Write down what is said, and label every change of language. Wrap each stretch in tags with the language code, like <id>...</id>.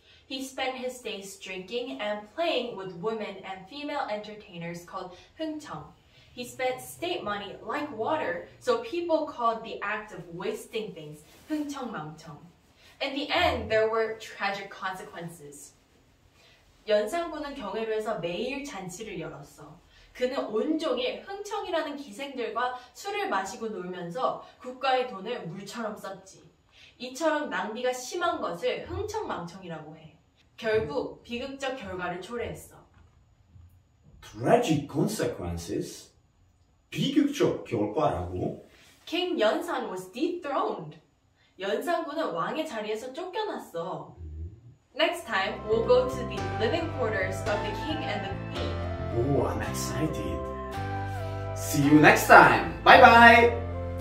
<en>He spent his days drinking and playing with women and female entertainers called 흥청. He spent state money like water, so people called the act of wasting things 흥청망청. In the end, there were tragic consequences.</en> <ko>연산군은 경회로에서 매일 잔치를 열었어. 그는 온종일 흥청이라는 기생들과 술을 마시고 놀면서 국가의 돈을 물처럼 썼지. 이처럼 낭비가 심한 것을 흥청망청이라고 해. 결국 비극적 결과를 초래했어.</ko> <en>Tragic consequences?</en> <ko>비극적 결과라고?</ko> <en>King Yeonsan was dethroned.</en> <ko>연산군은 왕의 자리에서 쫓겨났어.</ko> <en>Next time, we'll go to the living quarters of the king and the queen. Oh, I'm excited. See you next time. Bye-bye.</en>